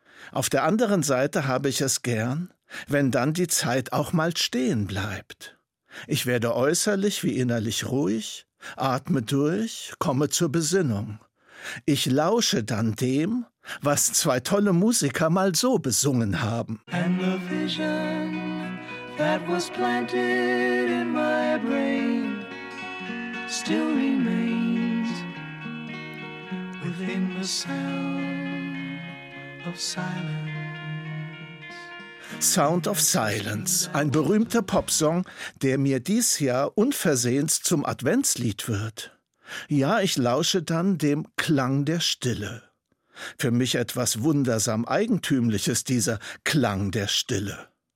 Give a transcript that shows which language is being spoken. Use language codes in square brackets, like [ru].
[de] Auf der anderen Seite habe ich es gern, wenn dann die Zeit auch mal stehen bleibt. Ich werde äußerlich wie innerlich ruhig, atme durch, komme zur Besinnung. Ich lausche dann dem, was zwei tolle Musiker mal so besungen haben. [en] And the vision that was planted in my brain still remains within the sound of silence. [de] Sound of Silence, ein berühmter Popsong, der mir dies Jahr unversehens zum Adventslied wird. Ja, ich lausche dann dem Klang der Stille. Für mich etwas wundersam Eigentümliches, dieser Klang der Stille.